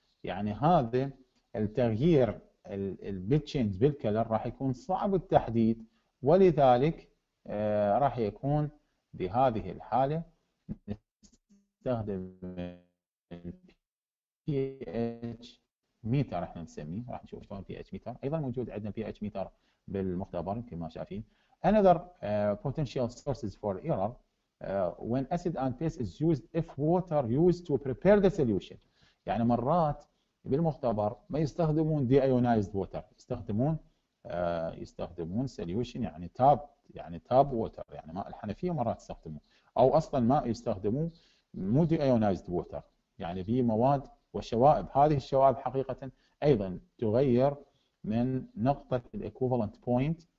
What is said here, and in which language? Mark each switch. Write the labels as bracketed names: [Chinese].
[Arabic] يعني هذا التغيير ال bit change بالكلر راح يكون صعب التحديد، ولذلك راح يكون بهذه الحالة نستخدم ال pH meter. راح نسميه، راح نشوف شلون pH meter. أيضا موجود عندنا pH meter بالمختبر يمكن ما شايفين. [English] Another potential sources for error when acid and base is used if water used to prepare the solution. [Arabic] يعني مرات بالمختبر ما يستخدمون deionized water، يستخدمون يستخدمون solution يعني tap، يعني tap water، يعني ماء الحنفية مرات يستخدمون، أو أصلاً ما يستخدمون مو deionized water، يعني في مواد وشوائب، هذه الشوائب حقيقة أيضاً تغير من نقطة equivalent point.